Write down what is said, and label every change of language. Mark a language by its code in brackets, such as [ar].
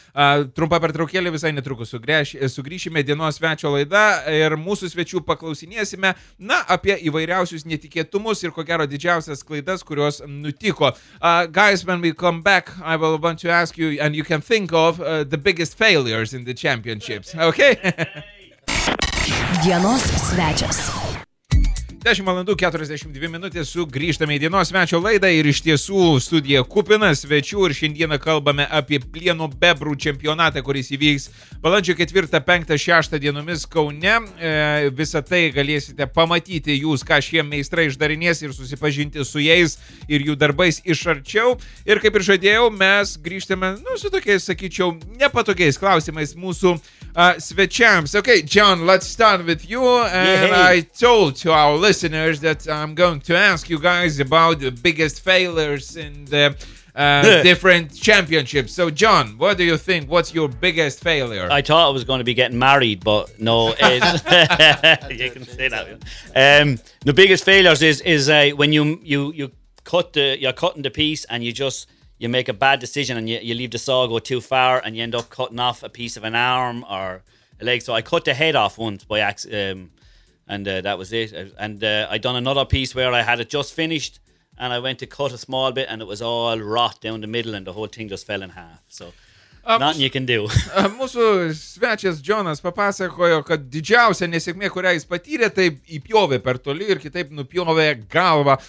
[lt] Trumpa pertraukėlė, visai netrukus sugrįšime dienos svečio laida ir mūsų svečių paklausinėsime, na, apie įvairiausius netikėtumus ir ko gero didžiausias klaidas, kurios nutiko. [en] Guys, when we come back, I will want to ask you and you can think of the biggest failures in the championships. Okay? [lt] Dienos svečias. 10:42 sugrįžtame į dienos svečio laidą ir iš tiesų studija kupina svečių ir šiandieną kalbame apie plieno bebrų čempionatą, kuris įvyks balandžio 4-5-6 dienomis Kaune. Visą tai galėsite pamatyti jūs, ką šie meistrai išdarinės ir susipažinti su jais ir jų darbais iš arčiau. Ir kaip ir žadėjau, mes grįžtame, nu, su tokiais, sakyčiau, nepatogiais klausimais mūsų svečiams. [en] Okay, John, let's start with you. And I told to our listeners that I'm going to ask you guys about the biggest failures in the different championships. So, John, what do you think? What's your biggest failure? I thought I was going to be getting married, but no. You can say that. The biggest failures is when you cut the, you're cutting the piece and you just, you make a bad decision and you leave the saw go too far and you end up cutting off a piece of an arm or a leg. So I cut the head off once by accident. That was it. I done another piece where I had it just finished and I went to cut a small bit and it was all rot down the middle and the whole thing just fell in half. So nothing you can do. [lt] Mūsų svečias Jonas papasakojo, kad didžiausia nesėkmė, kurią jis patyrė, tai įpjovė per toli ir kitaip nupjovė galvą.